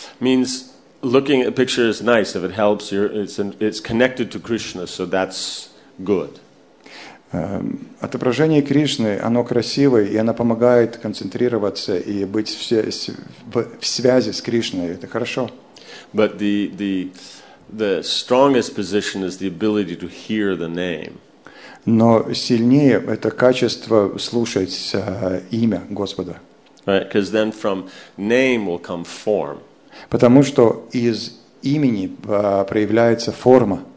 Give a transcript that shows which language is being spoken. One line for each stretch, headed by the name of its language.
English: Means looking at a picture is nice if it helps. It's connected to Krishna, so that's good.
Russian: Отображение Кришны, оно красивое, и оно помогает концентрироваться и быть в связи с Кришной. Это хорошо.
English: But the strongest position is the ability to hear the name.
Russian: Но сильнее это качество слушать имя Господа.
English: Right, because then from name will come form.
Russian: Потому что из имени проявляется форма.